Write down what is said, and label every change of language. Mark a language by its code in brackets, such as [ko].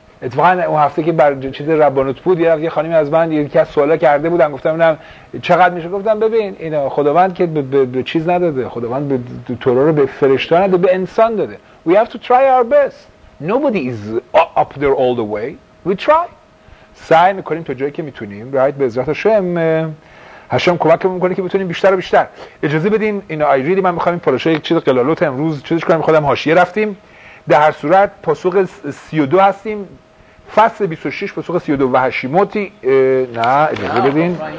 [fa] اتفاقا اون هفته که بر چیز ربانوت بود یه خانمی از من یکی از سوالا کرده بودم، گفتم اینم چقدر میشه، گفتم ببین اینا خداوند که به چیز نداده، خداوند به تورا رو به فرشته نداده، به انسان داده. [en] We have to try our best. Nobody is up there all the way. We try. [fa] سعی میکنیم تا جایی که میتونیم. [en] Right. [fa] به عزت هاشم هاشم کمک میکنه که بتونیم بیشتر و بیشتر. اجازه بدین اینا [en] I really [fa] من میخوام این پروشه یک چیز قلالوت امروز چیزش کنم. خودم حاشیه رفتیم. در هر صورت پاسخ 32 هستیم. فصل 26 پاسخ 32 و هشیموتی نه اجازه بدین